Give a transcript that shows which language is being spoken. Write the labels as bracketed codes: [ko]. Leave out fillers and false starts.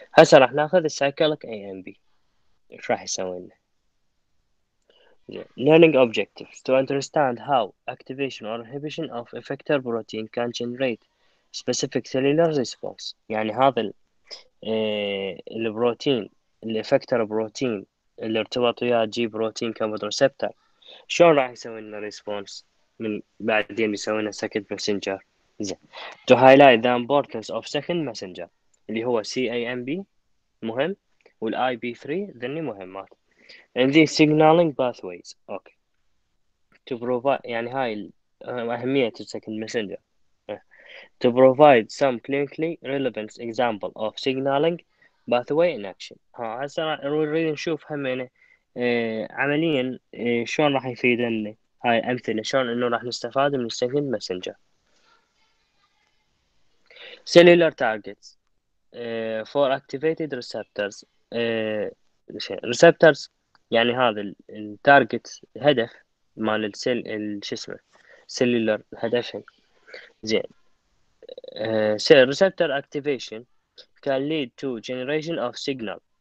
[ar] هسه راح ناخذ السايكليك اي ام بي، ايش راح يسوي لنا؟ [en] Learning objectives to understand how activation or inhibition of effector protein can generate specific cellular response. [ar] يعني هذا البروتين الافكتور بروتين اللي ارتبط وياه جي بروتين كمبوت ريسبتر شلون راح يسوي لنا ريسبونس من بعدين يسوي لنا سكند مسنجر. زين، [en] to highlight the importance of second messenger [ar] اللي هو سي اي ام بي مهم، والاي بي 3 ذني مهمات. [en] And these signaling pathways, okay, to provide [ar] يعني هاي أهمية السكند مسنجر. [en] To provide some clinically relevant example of signaling pathway in action. [ar] ها هسه نريد نشوف همينة عمليا شلون راح يفيد لنا هاي الأمثلة، شلون إنه راح نستفاد من السكند مسنجر. [en] Cellular targets for activated receptors. [ar] Receptors يعني هذا التارجت الهدف مال السيل شو اسمه سيلولر هدفهم. [en] زين، cell receptor activation كان lead to generation of signal.